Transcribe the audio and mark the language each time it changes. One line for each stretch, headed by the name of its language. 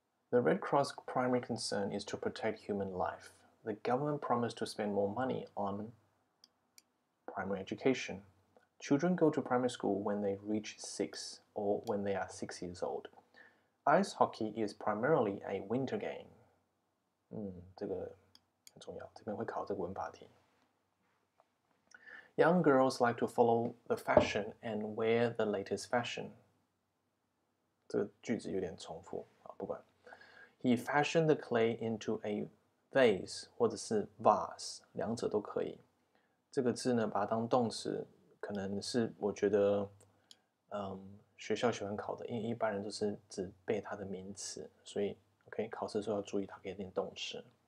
English: The Red Cross primary concern is to protect human life. The government promised to spend more money on primary education. Children go to primary school when they reach 6 or when they are 6 years old. Ice hockey is primarily a winter game.
Chinese: 这个很重要，这边会考这个文法题。
English: Young girls like to follow the fashion and wear the latest fashion.
Chinese: 这个句子有点重复啊，不管。
English: He fashioned the clay into a vase
Chinese: 或者是
English: vase，
Chinese: 两者都可以。这个字呢，把它当动词，可能是我觉得，学校喜欢考的，因为一般人都是只背它的名词，所以 OK， 考试的时候要注意它可以念动词。